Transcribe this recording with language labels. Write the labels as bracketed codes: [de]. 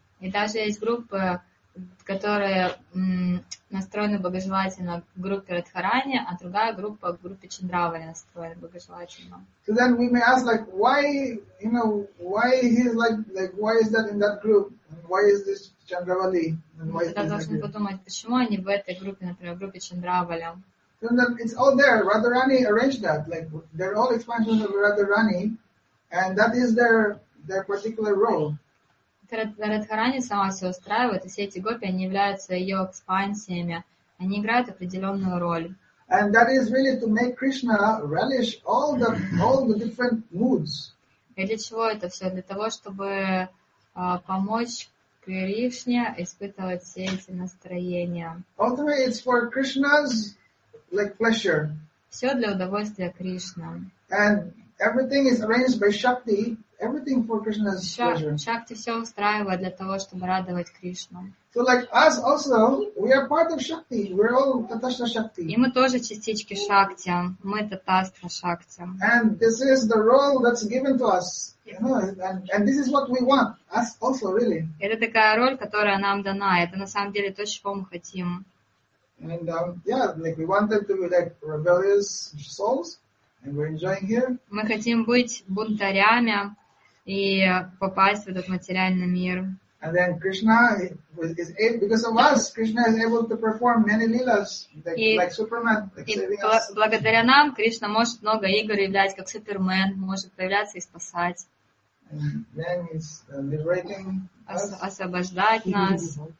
[ru] И даже есть группы, которые настроены благожелательно к группе Радхарани, а другая группа к группе Чандравали настроена благожелательно. [en] So then we may ask, like, why, you know, why he's like, why is that in that group? Why is this Chandravali? [ru] Мы тогда должны подумать, почему они в этой группе, например, в группе Чандравали. [en] It's all there. Radharani arranged that. Like, they're all expansions of Radharani, and that is their particular role. [ru] Радхарани сама все устраивает, и все эти гопи, они являются ее экспансиями. Они играют определенную роль. [en] And that is really to make Krishna relish all the different moods. [ru] И для чего это все? Для того, чтобы помочь Кришне испытывать все эти настроения. [en] Ultimately, it's for Krishna's like pleasure. [ru] Все для удовольствия Кришны. [en] And everything is arranged by Shakti. Everything for Krishna's pleasure. [ru] Шакти все устраивает для того, чтобы радовать Кришну. [en] So like us also, we are part of Shakti. We're all Tatastra Shakti. [ru] И мы тоже частички Шакти. Мы Tatastra Shakti. [en] And this is the role that's given to us. And this is what we want. Us also, really. [ru] Это такая роль, которая нам дана. Это на самом деле то, чего мы хотим. [en] And like we wanted to be like rebellious souls. And we're enjoying here. [ru] Мы хотим быть бунтарями и попасть в этот материальный мир. [en] And then Krishna is able, because of us, Krishna is able to perform many lilas, like Superman, like [ru] благодаря нам Кришна может много игр играть, как Супермен, может появляться и спасать. [en] And then he's liberating us. [ru] Освобождать нас.